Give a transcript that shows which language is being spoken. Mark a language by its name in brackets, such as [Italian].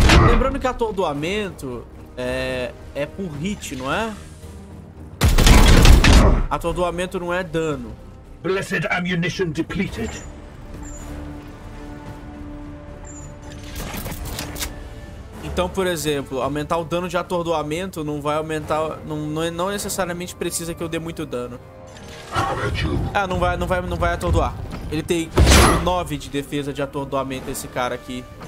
[Portuguese] Lembrando que atordoamento é por hit, não é? Atordoamento não é dano. [English] Blessed ammunition depleted. [Portuguese] Então, por exemplo, aumentar o dano de atordoamento não vai aumentar. Não necessariamente precisa que eu dê muito dano. Ah, não vai atordoar. Ele tem 9 de defesa de atordoamento, esse cara aqui.